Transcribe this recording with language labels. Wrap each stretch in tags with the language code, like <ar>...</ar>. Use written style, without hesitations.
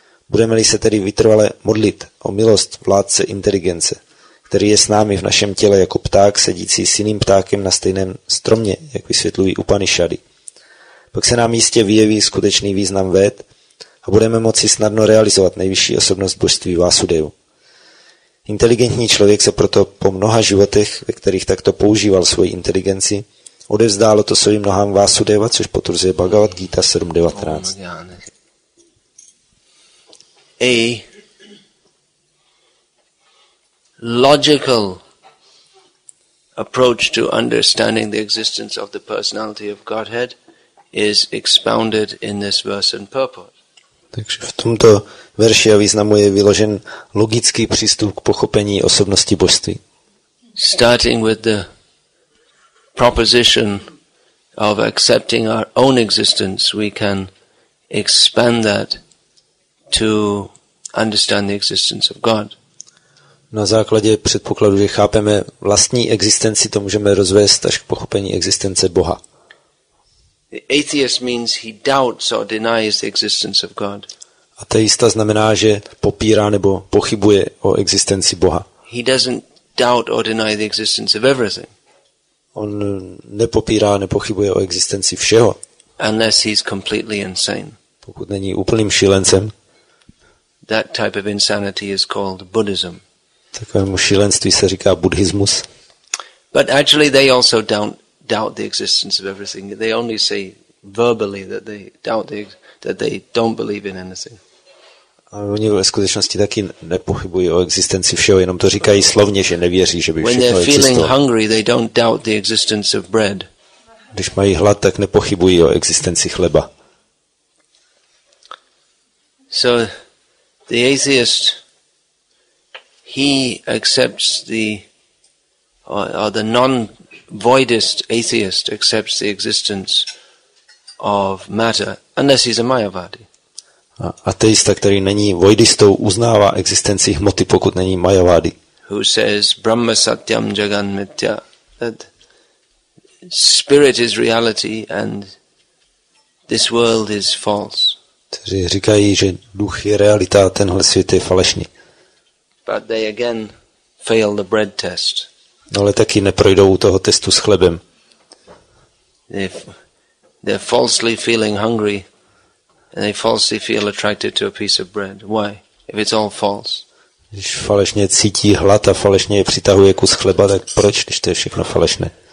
<cs>Budeme-li se tedy vytrvale modlit o milost vládce inteligence, který je s námi v našem těle jako pták sedící s jiným ptákem na stejném stromě, jak vysvětlují Upanishady, pak se nám jistě vyjeví skutečný význam véd a budeme moci snadno realizovat nejvyšší osobnost božství Vásudevu. Inteligentní člověk se proto po mnoha životech, ve kterých takto používal svoji inteligenci, odevzdálo to svým nohám Vásudeva, což potvrzuje Bhagavad Gita 7.19.</cs> <en>A logical approach to understanding the existence of the personality of Godhead is expounded in this verse and purport.</en> <cs>Takže v tomto verši a významu je vyložen logický přístup k pochopení osobnosti božství.</cs> <en>Starting with the proposition of accepting our own existence, we can expand that to understand the existence of God.</en> <cs>Na základě předpokladu, že chápeme vlastní existenci, to můžeme rozvést až k pochopení existence Boha.</cs> <en>The atheist means he doubts or denies the existence of God.</en> <cs>Ateista znamená, že popírá nebo pochybuje o existenci Boha.</cs> <en>He doesn't doubt or deny the existence of everything.</en> <cs>On nepopírá, nepochybuje o existenci všeho.</cs> <en>Unless he's completely insane.</en> <cs>Pokud není úplným šílencem.</cs> <en>That type of insanity is called Buddhism.</en> <cs>Takovému šílenství se říká buddhismus.</cs> <en>But actually they also doubt the existence of everything. They only say verbally that they doubt that they don't believe in anything.</en> <cs>Oni ve skutečnosti taky nepochybují o existenci všeho, jenom to říkají slovně, že nevěří, že by všechno existovalo.</cs> <en>When they're feeling hungry, they don't doubt the existence of bread.</en> <cs>Když mají hlad, tak nepochybují o existenci chleba.</cs> <en>So the atheist, he accepts the, or the non-voidist atheist accepts the existence of matter, unless he's a Mayavadi.</en> <cs>A ateista, který není voidistou, uznává existenci hmoty, pokud není Mayavadi.</cs> <en>Who says,</en> <sa>Brahma satyam jagan mitya,</sa> <en>that spirit is reality and this world is false.</en> <cs>Kteří říkají, že duch je realita a tenhle svět je falešný.</cs> <en>But they again fail the bread test.</en> <cs>Ale taky neprojdou u toho testu s chlebem.</cs> <en>They're falsely feeling hungry and they falsely feel attracted to a piece of bread. Why? If it's all false.</en> <cs>Když falešně cítí hlad a falešně je přitahuje kus chleba, tak proč, když to je všechno falešné?</cs>